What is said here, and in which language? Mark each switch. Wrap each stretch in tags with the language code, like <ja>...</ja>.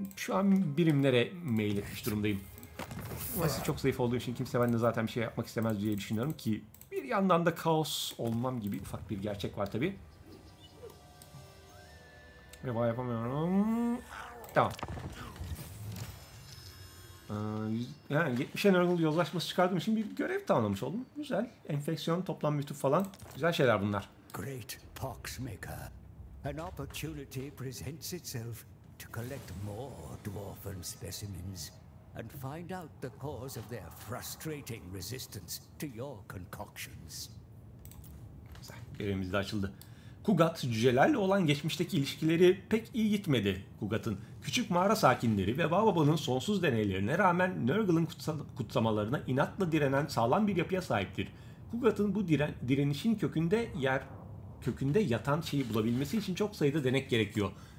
<tr>Şu an birimlere mail etmiş durumdayım. Burası çok zayıf olduğu için kimse benimle zaten bir şey yapmak istemez diye düşünüyorum ki bir yandan da kaos olmam gibi ufak bir gerçek var tabi. Reva yapamıyorum. Tamam. Yani 70'e Nurgle yozlaşması çıkardığım için bir görev tamamlamış oldum. Güzel. Enfeksiyon, toplam mütüp falan. Güzel şeyler bunlar. Great Poxmaker.</tr> <en>An opportunity presents itself to collect more dwarven specimens and find out the cause of their frustrating resistance to your concoctions.</en> <tr>Görevimiz de açıldı. Kugat cücelerle olan geçmişteki ilişkileri pek iyi gitmedi. Kugat'ın küçük mağara sakinleri ve Baba'nın sonsuz deneylerine rağmen Nurgle'ın kutsamalarına inatla direnen sağlam bir yapıya sahiptir. Kugat'ın bu direnişin kökünde yatan şeyi bulabilmesi için çok sayıda denek gerekiyor.</tr>